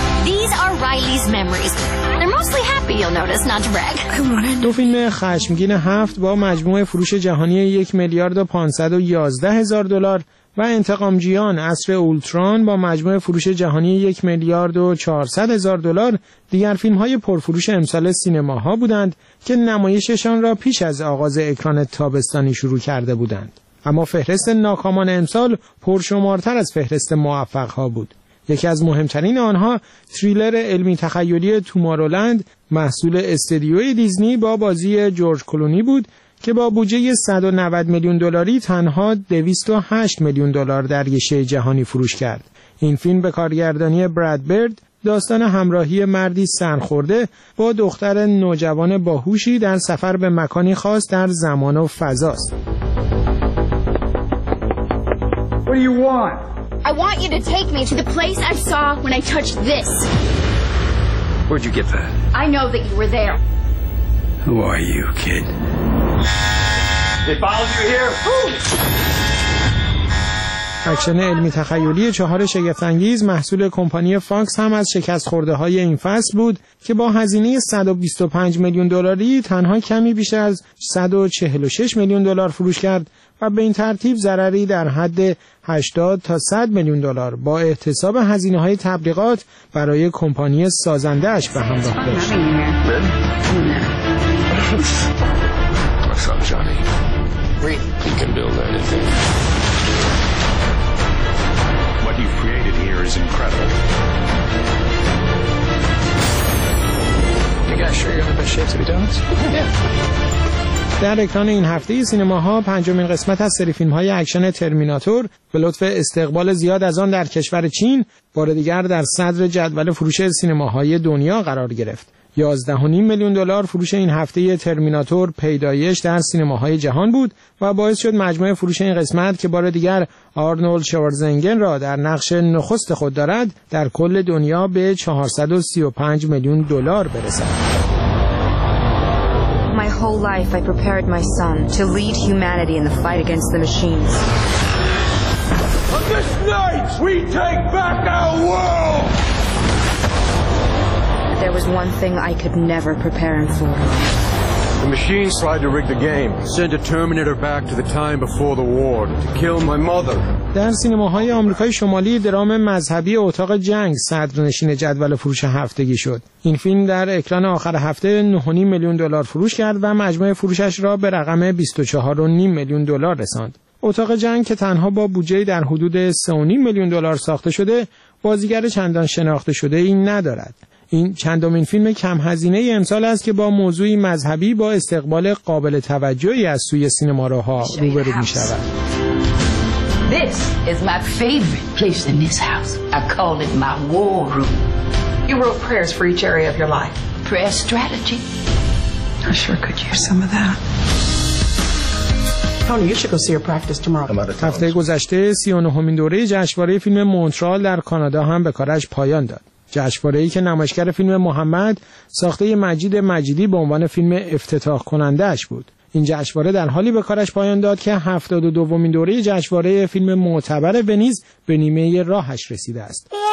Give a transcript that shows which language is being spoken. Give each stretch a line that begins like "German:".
English: These are Riley's memories. They're mostly happy, you'll notice, not to brag.
Persian: دو فیلم خشمگین هفت با مجموع فروش جهانی 1,511,000 دلار و انتقامجویان عصر اولتران با مجموع فروش جهانی 1,400,000 دلار دیگر فیلم‌های پرفروش امسال سینماها بودند که نمایششان را پیش از آغاز اکران تابستانی شروع کرده بودند. اما فهرست ناکامان امسال پرشمارتر از فهرست موفق‌ها بود. یکی از مهمترین آنها تریلر علمی تخیلی تومارولند محصول استدیوی دیزنی با بازی جورج کلونی بود که با بودجه 190 میلیون دلاری تنها 208 میلیون دلار در گشه جهانی فروش کرد. این فیلم به کارگردانی براد برد داستان همراهی مردی سرخورده با دختر نوجوان باهوشی در سفر به مکانی خاص در زمان و فضا است.
English: What do you want? I want you to take me to the place I saw when I touched this. Where'd you get that? I know that you were there. Who are you, kid?
Persian: اکشن علمی تخیلی چهار شگفت‌انگیز محصول کمپانی فاکس هم از شکست خورده های این فصل بود که با هزینه 125 میلیون دلاری تنها کمی بیش از 146 میلیون دلار فروش کرد و به این ترتیب ضرری در حد 80 تا 100 میلیون دلار با احتساب هزینه های تبلیغات برای کمپانی سازنده اش به همراه داشت.
English: Son Johnny. He can build anything. What you've created here is incredible. You guys sure you're in the best shape to be donuts? Yeah.
Persian: در اکران این هفته سینماها پنجمین قسمت از سری فیلم های اکشن ترمیناتور به لطف استقبال زیاد از آن در کشور چین بار دیگر در صدر جدول فروش سینماهای دنیا قرار گرفت. 11.5 میلیون دلار فروش این هفته ترمیناتور پیدایش در سینماهای جهان بود و باعث شد مجموع فروش این قسمت که بار دیگر آرنولد شوارزنگر را در نقش نخست خود دارد در کل دنیا به 435 میلیون دلار برسد.
English: My whole life I prepared my son to lead humanity in the fight against the machines. On this night we take back our world. There was one thing I could never prepare him for. The machines tried to rig the game, send a Terminator back to the time before the war to kill my mother.
Persian: در سینماهای آمریکای شمالی درام مذهبی اتاق جنگ صدرنشین جدول فروش هفتگی شد. این فیلم در اکران آخر هفته 9.5 میلیون دلار فروش کرد و مجموع فروشش را به رقم 24.5 میلیون دلار رساند. اتاق جنگ که تنها با بودجه در حدود 3.5 میلیون دلار ساخته شده، بازیگر چندان شناخته شده ای ندارد. این چندمین فیلم کم هزینه ای امسال است که با موضوعی مذهبی با استقبال قابل توجهی از سوی سینماروها روبرو می شود.
English: This is my favorite place in this house. I call it my war room. You wrote prayers for each area of your life. Prayer strategy. I sure could use some of that.
Persian: هفته گذشته 39مین دوره جشنواره فیلم مونترال در کانادا هم به کارش پایان داد. جشنواره‌ای که نمایشگر فیلم محمد ساخته مجید مجیدی به عنوان فیلم افتتاح کننده‌اش بود. این جشنواره در حالی به کارش پایان داد که 72مین دوره جشنواره فیلم معتبر ونیز به نیمه راهش رسیده است.